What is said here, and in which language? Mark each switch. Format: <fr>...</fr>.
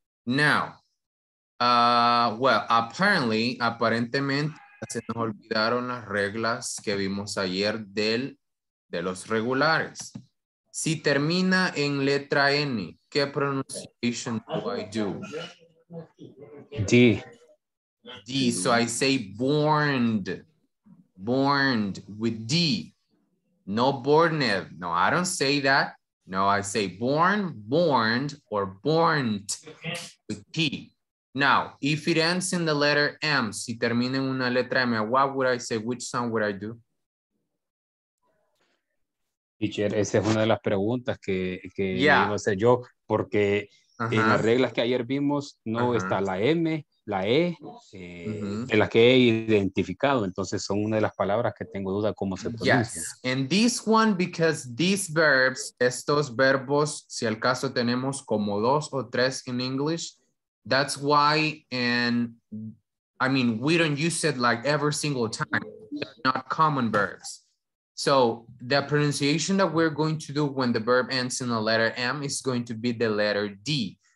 <es>Now, well, aparentemente se nos olvidaron las reglas que vimos ayer de los regulares. Si termina en letra N, ¿qué pronunciation do I do?</es> <en>D. D, so I say borned, borned with D. No borned, no, I don't say that. No, I say born, borned, or borned with T. Now, if it ends in the letter M, si termina en una letra M, what would I say? Which sound would I do?</en> <es>Teacher, esa es una de las preguntas que yeah. iba a hacer yo, porque uh-huh. en las reglas que ayer vimos, no uh-huh. está la M, la E, uh-huh. en las que he identificado. Entonces, son una de las palabras que tengo duda cómo se pronuncia.</es> <en>Yes, and this one, because these verbs, estos verbos, si al caso tenemos como dos o tres in English, that's why, and I mean, we don't use it like every single time, they're not common verbs. So the pronunciation that we're going to do when the verb ends in the letter M is going to be the letter D.</en>